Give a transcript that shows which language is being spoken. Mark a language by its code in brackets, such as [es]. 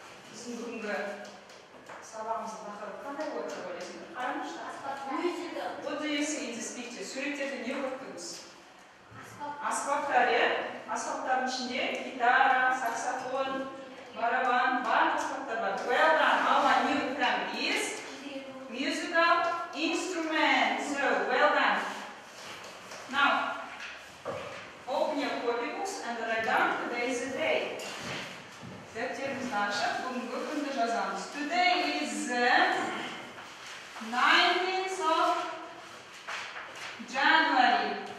[kk] Біздің бүгінгі сабағымыздың тақырыбы қандай болады деп ойлайсыңдар? Қараңызшы, суреттерді не көрдіңіз? Аспап. Аспаптар, иә? Аспаптардың ішінде гитара, саксофон, барабан, бар аспаптар бар. [en] Well, our new term is musical instrument. So, well done. Now, open your copy books and write down today's the day. [kk] Дәптеріміз наша, бүгінгі күнді жазамыз. [en] Today is the 19th of January.